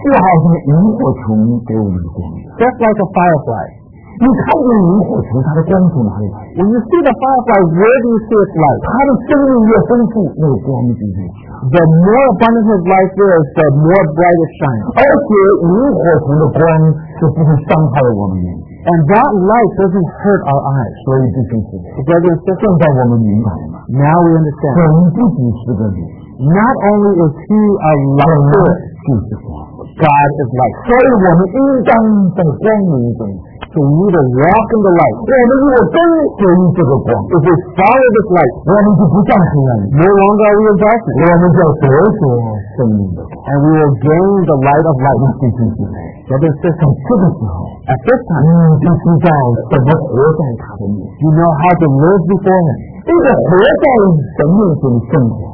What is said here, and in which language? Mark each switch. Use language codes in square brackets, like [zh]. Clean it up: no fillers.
[zh] 就好像萤火虫给我们的光。 [en] Just like a firefly. [zh] 你看见萤火虫，它的光从哪里来？ [en] When you see the firefly, where do you see its light? [zh] 它的生命越丰富，那个光就越强。 [en] The more abundant his light is, the more bright it shines. [zh] 而且萤火虫的光就不会伤害我们眼睛。 [en] And that light doesn't hurt our eyes. [zh] 所以弟兄姊妹， [en] brothers and sisters, [zh] 现在我们明白了吗？ [en] Now we understand. [zh] 神不仅是个灵。 [en] Not only is he a light, God is light. [zh] 所以我们应当在光明中 [en] to need a walk in the light. [zh] 我们如果跟随这个光 [en] if we follow this light, [zh] 我们就不再黑暗 [en] no longer are we in darkness. [zh] 我们就得着生命的 [en] and we will gain the light of life. [zh] 弟兄姊妹，这个时候 [en] at this time, [zh] 你就知道怎么活在他的面 [en] you know how to live before him. [zh] 这个活在神面前的生活